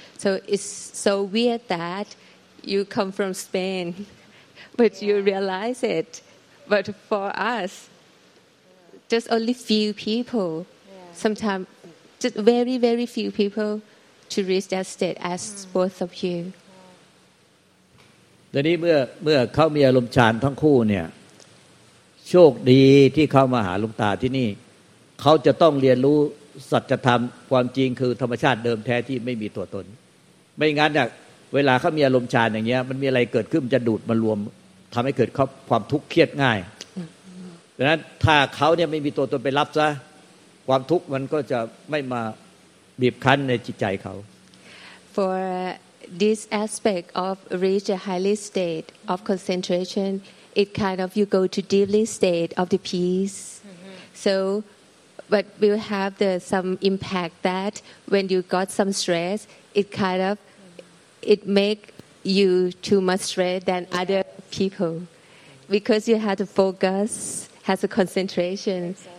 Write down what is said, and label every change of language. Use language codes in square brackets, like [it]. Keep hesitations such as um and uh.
[en] So it's so weird that you come from Spain, but you realize it. But for us, just only few people, sometimes just very, very few people to reach that state as both of you. [th] ตอนนี้เมื่อเมื่อเขามีอารมณ์ฌานทั้งคู่เนี่ย โชคดีที่เข้ามาหาหลวงตาที่นี่ เขาจะต้องเรียนรู้สัจธรรมความจริงคือธรรมชาติเดิมแท้ที่ไม่มีตัวตน ไม่งั้นเนี่ยเวลาเขามีอารมณ์ฌานอย่างเงี้ย มันมีอะไรเกิดขึ้นมันจะดูดมารวมทำให้เกิดเขาความทุกข์เครียดง่ายดังนั้นถ้าเขาเนี่ยไม่มีตัวตนไปรับซะความทุกข์มันก็จะไม่มาบีบคั้นในจิตใจเขา [en] For this aspect of reach a highly state of concentration, it kind of you go to deeply state of the peace. So, but we'll have the some impact that when you got some stress, it kind of it make you too much stress than other people because you have to focus, has a concentration.